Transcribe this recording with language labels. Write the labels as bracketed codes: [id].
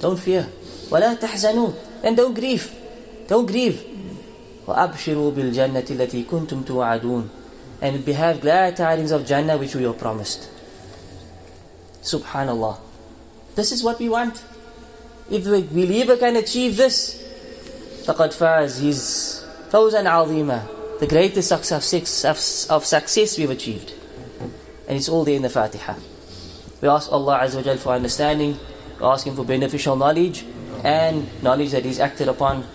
[en] Don't fear. [ar] وَلَا تَحْزَنُوا. [en] And don't grieve. Don't grieve. [ar] وَأَبْشِرُوا بِالْجَنَّةِ الَّتِي كُنْتُمْ تُوَعَدُونَ. [en] And we have glad tidings of Jannah which we were promised. Subhanallah. This is what we want. If the believer can achieve this, [ar] فَقَدْ فَازَ. [en] He's [ar] فَوْزًا عَظِيمًا. [en] The greatest success we've achieved. And it's all there in the Fatiha. We ask Allah Azza wa Jal for understanding. We ask Him for beneficial knowledge and knowledge that He's acted upon.